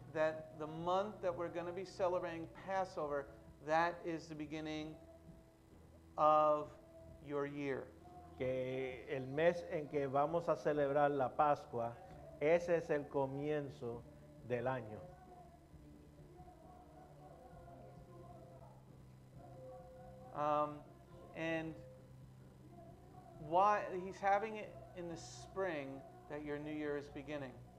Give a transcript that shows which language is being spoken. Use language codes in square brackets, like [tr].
[en] that the month that we're going to be celebrating Passover, that is the beginning of your year. [es] Que el mes en que vamos a celebrar la Pascua, ese es el comienzo del año. [en] And why he's having it in the spring that your new year is beginning.